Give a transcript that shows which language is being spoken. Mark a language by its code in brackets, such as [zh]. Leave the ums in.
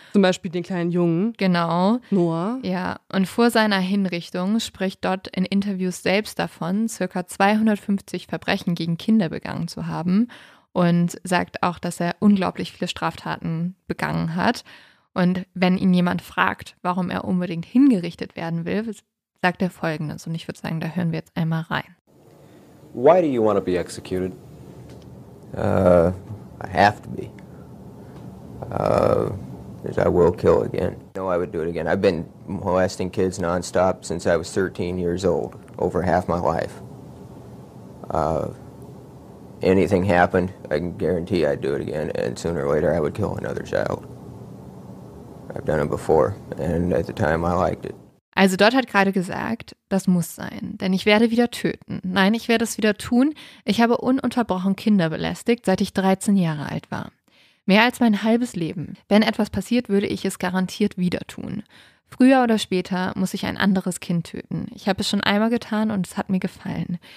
[de] Zum Beispiel den kleinen Jungen. Genau. Noah. Ja, und vor seiner Hinrichtung spricht dort in Interviews selbst davon, circa 250 Verbrechen gegen Kinder begangen zu haben und sagt auch, dass er unglaublich viele Straftaten begangen hat. Und wenn ihn jemand fragt, warum er unbedingt hingerichtet werden will, sagt er folgendes. Und ich würde sagen, da hören wir jetzt einmal rein. [en] Why do you want to be executed? Uh, I have to be. Uh, I will kill again. No, I would do it again. I've been molesting kids nonstop since I was 13 years old, over half my life. Uh, anything happened, I can guarantee I'd do it again, and sooner or later I would kill another child. I've done it before, and at the time I liked it. [de] Also dort hat gerade gesagt, das muss sein, denn ich werde wieder töten. Nein, ich werde es wieder tun. Ich habe ununterbrochen Kinder belästigt, seit ich 13 Jahre alt war. Mehr als mein halbes Leben. Wenn etwas passiert, würde ich es garantiert wieder tun. Früher oder später muss ich ein anderes Kind töten. Ich habe es schon einmal getan und es hat mir gefallen.